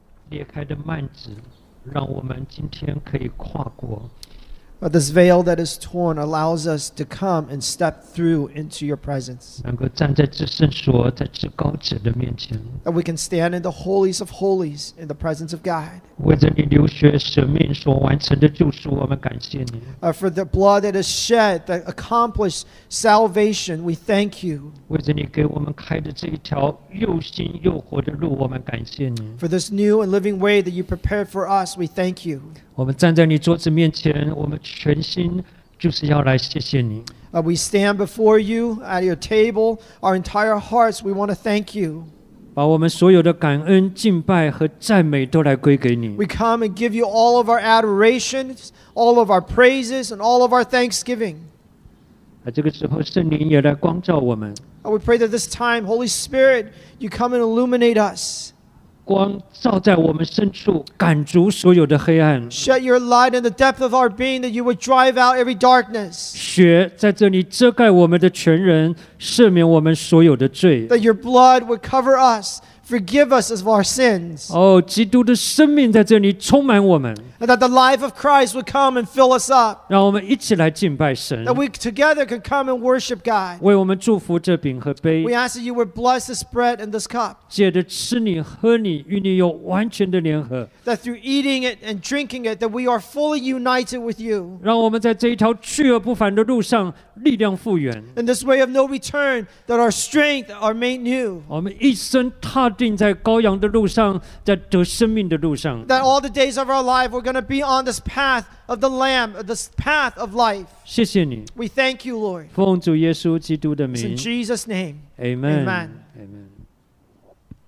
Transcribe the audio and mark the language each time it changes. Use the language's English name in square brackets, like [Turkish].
[Chinese] 裂开的幔子，让我们今天可以跨过。 [English] This veil that is torn allows us to come and step through into your presence. [Chinese] 能够站在至圣所，在至高者的面前。 [English] That we can stand in the holiest of holies in the presence of God. [Chinese] 为着你流血舍命所完成的救赎，我们感谢你。 [English] For the blood that is shed that accomplished salvation, we thank you. [Chinese] 为着你给我们开的这一条又新又活的路，我们感谢你。 [English] For this new and living way that you prepared for us, we thank you. [Chinese] 我们站在你桌子面前，我们全心 [English] We stand before you at your table, our entire hearts, we want to thank you. [Chinese] 把我们所有的感恩、敬拜和赞美都来归给你。 [English] We come and give you all of our adorations, all of our praises, and all of our thanksgiving. [Chinese] 在这个时候，圣灵也来光照我们。 [English] We pray that this time, Holy Spirit, you come and illuminate us. [Chinese] 光照在我们深处，赶逐所有的黑暗。 [English] Shed your light in the depth of our being, that you would drive out every darkness. [Chinese] 血在这里遮盖我们的全人，赦免我们所有的罪。 [English] That your blood would cover us, forgive us of our sins. [Chinese] 哦，基督的生命在这里充满我们。 [English] And that the life of Christ would come and fill us up. [Chinese] 让我们一起来敬拜神。 [English] That we together could come and worship God. [Chinese] 为我们祝福这饼和杯。 [English] We ask that you would bless this bread and this cup. [Chinese] 借着吃你喝你与你有完全的联合。 [English] That through eating it and drinking it, that we are fully united with you. [Chinese] 让我们在这一条去而不返的路上力量复原。 [English] In this way of no return, that our strength are made new. [Chinese] 我们一生踏定在羔羊的路上，在得生命的路上。 [English] That all the days of our life we're going to be on this path of the Lamb, this path of life. [Chinese] 谢谢你。 [English] We thank you, Lord. [Chinese] 奉主耶稣基督的名。 [English] It's in Jesus' name. Amen. Amen. Amen.